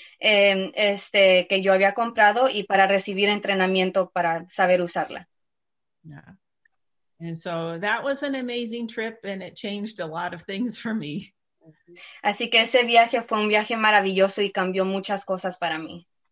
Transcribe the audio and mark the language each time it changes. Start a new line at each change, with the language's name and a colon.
Spanish: Que yo había comprado y para recibir entrenamiento para saber usarla.
English: Yeah. And so that was an amazing trip and it changed a lot of things for me.
Spanish: Así que ese viaje fue un viaje maravilloso y cambió muchas cosas para mí.